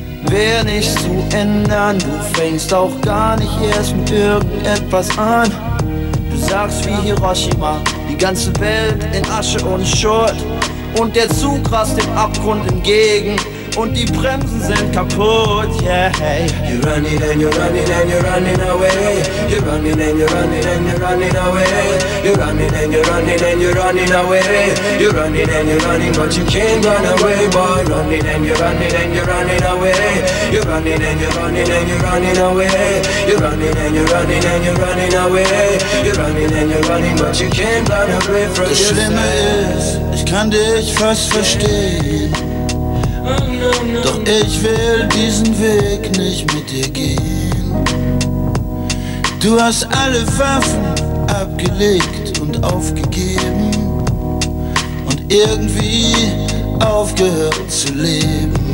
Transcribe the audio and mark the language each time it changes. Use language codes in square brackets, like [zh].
[de] Wär nichts zu ändern, du fängst auch gar nicht erst mit irgendetwas an. Du sagst wie Hiroshima, die ganze Welt in Asche und Schutt. Und der Zug rast dem Abgrund entgegen und die Bremsen sind kaputt, yeah. [en] You're running and you're running and you're running away. You're running and you're running and you're running away. You're running and you're running and you're running away. You're running and you're running, but you can't run away, boy. Running and you're running and you're running away. You're running and you're running and you're running away. You're running and you're running and you're running away. You're running and you're running, but you can't run away from [de] Das Schlimme ist, ich kann dich fast verstehen. Doch ich will diesen Weg nicht mit dir gehen. Du hast alle Waffen abgelegt und aufgegeben und irgendwie aufgehört zu leben.